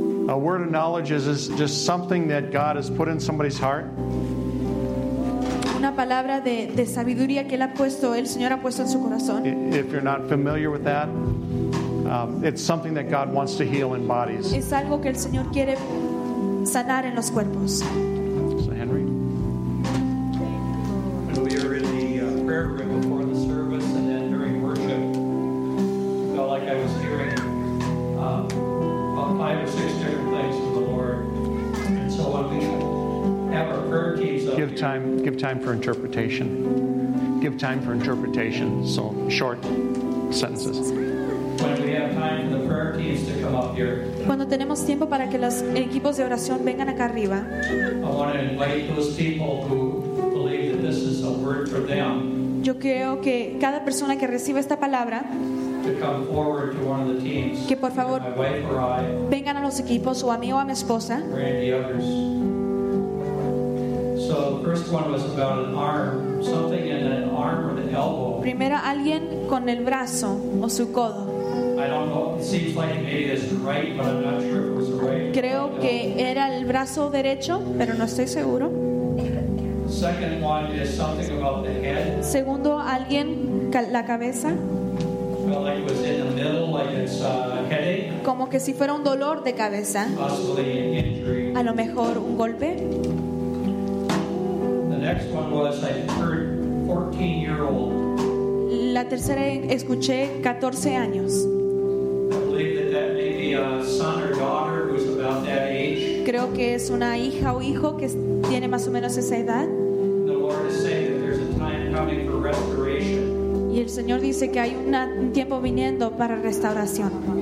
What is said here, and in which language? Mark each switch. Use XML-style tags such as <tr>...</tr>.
<en>A word of knowledge is just something that God has put in somebody's heart.</en> <es>Una palabra de sabiduría que el Señor ha puesto en su corazón.</es> <en>If you're not familiar with that, it's something that God wants to heal in bodies.</en> <es>Es algo que el Señor quiere sanar en los cuerpos.</es> <en>So Henry. When we were in the prayer room before the service and then during worship, I felt like I was hearing about 5 or 6 different things from the Lord. And so when we have our prayer teams up give time, here, give time for interpretation. Give time for interpretation. So short sentences. When we have time for the prayer teams to come up here.</en> <es>Cuando tenemos tiempo para que los equipos de oración vengan acá arriba.</es> <en>I want to invite those people who believe that this is a word for them.</en> <es>Yo creo que cada persona que reciba esta palabra,</es> <en>to come forward to one of the teams,</en> <es>que por favor</es> <en>my wife or I,</en> <es>vengan a los equipos o a mí o a mi esposa.</es> <en>So the first one was about an arm, something in an arm or the elbow.</en> <es>Primero alguien con el brazo o su codo.</es> <en>I don't know. It seems like maybe it's right, but I'm not sure if it was right.</en> <es>Creo que era el brazo derecho, pero no estoy seguro.</es> <en>Second one is something about the head.</en> <es>Segundo, alguien la cabeza.</es> <en>Felt like it was in the middle, like it's a headache.</en> <es>Como que si fuera un dolor de cabeza.</es> <en>Possibly an injury.</en> <es>A lo mejor un golpe.</es> <en>The next one was I heard 14-year-old.</en> <es>La tercera escuché 14 años.</es> <en>I believe that that may be a son or daughter who's about that age.</en> <es>Creo que es una hija o hijo que tiene más o menos esa edad.</es> <en>The Lord is saying that there's a time coming for restoration.</en> <es>Y el Señor dice que hay un tiempo viniendo para restauración.</es>